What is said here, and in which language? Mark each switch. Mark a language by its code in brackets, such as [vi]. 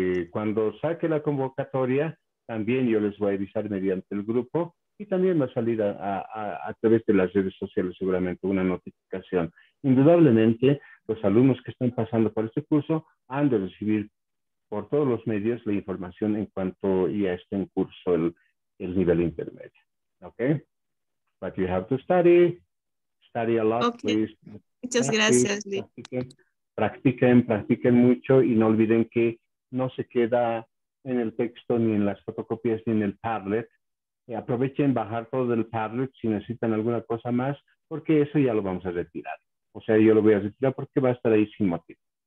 [es] Cuando saque la convocatoria, también yo les voy a avisar mediante el grupo y también va a salir a través de las redes sociales seguramente una notificación. Indudablemente, los alumnos que están pasando por este curso han de recibir por todos los medios la información en cuanto ya esté en curso el nivel intermedio. [en] Okay? But you have to study a lot, okay. Please. [es] Muchas gracias, Lee. Practiquen mucho y no olviden que no se queda en el texto, ni en las fotocopias, ni en el Padlet. Aprovechen bajar todo del Padlet si necesitan alguna cosa más, porque eso ya lo vamos a retirar. O sea, yo lo voy a retirar porque va a estar ahí sin motivo.